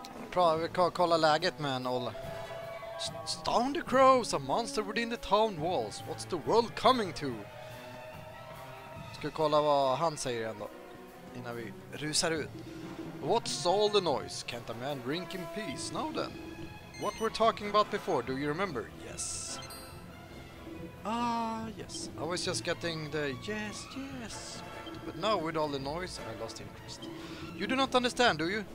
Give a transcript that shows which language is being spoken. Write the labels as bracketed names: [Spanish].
[Swedish] Prova vi kolla läget med Nolle. [English] Stone the crows, a monster within the town walls. What's the world coming to? [Swedish] Ska kolla vad han säger ändå innan vi rusar ut. [English] What's all the noise? Can't a man drink in peace? Now then. What we're talking about before, do you remember? Yes. Ah, yes. I was just getting the yes, yes. But now, with all the noise, I lost interest. You do not understand, do you?